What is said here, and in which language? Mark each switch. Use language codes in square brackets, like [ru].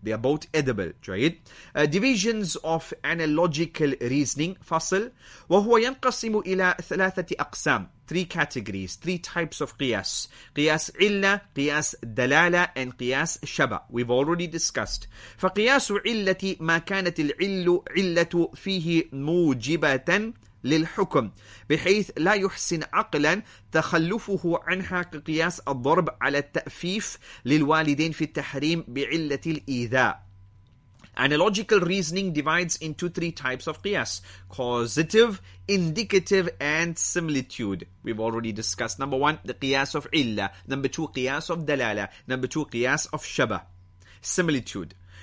[en] Right? Divisions of analogical reasoning, fasl, [ar] وَهُوَ يَنْقَسِمُ إِلَى ثَلَاثَةِ أَقْسَامِ. [en] Three categories, three types of qiyas. Qiyas illa, qiyas dalala, and qiyas shaba. We've already discussed. [ar] فَقِيَاسُ عِلَّةِ مَا كَانَتِ الْعِلُّ عِلَّةُ فِيهِ مُوجِبَةً للحكم بحيث لا يحسن عقلا تخلفه عنها كقياس الضرب على التأفيف للوالدين في التحريم بعلة الإيذاء. [en] Analogical reasoning divides into three types of qiyas: causative, indicative, and similitude. We've already discussed number one, the qiyas of illa; number two, qiyas of dalala; number two, qiyas of shaba, similitude.